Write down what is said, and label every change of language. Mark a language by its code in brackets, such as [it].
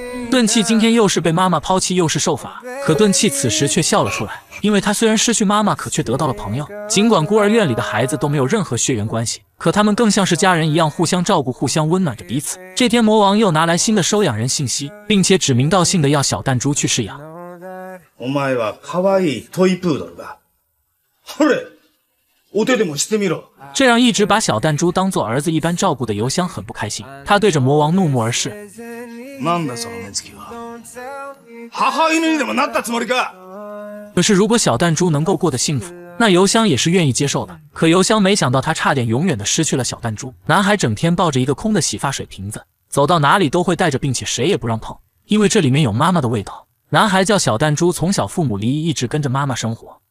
[zh] 顿气今天又是被妈妈抛弃，又是受罚。可顿气此时却笑了出来，因为他虽然失去妈妈，可却得到了朋友。尽管孤儿院里的孩子都没有任何血缘关系，可他们更像是家人一样，互相照顾，互相温暖着彼此。这天魔王又拿来新的收养人信息，并且指名道姓的要小弹珠去试养。 [ja] お前は可愛いトイプードルだ。ほれ、お手でもしてみろ。 [zh] 这让一直把小弹珠当作儿子一般照顾的邮箱很不开心，他对着魔王怒目而视。 [ja] なんだその目つきは。母犬にでもなったつもりか。 [zh] 可是如果小弹珠能够过得幸福，那邮箱也是愿意接受的。可邮箱没想到他差点永远的失去了小弹珠。男孩整天抱着一个空的洗发水瓶子，走到哪里都会带着，并且谁也不让碰，因为这里面有妈妈的味道。男孩叫小弹珠，从小父母离异，一直跟着妈妈生活。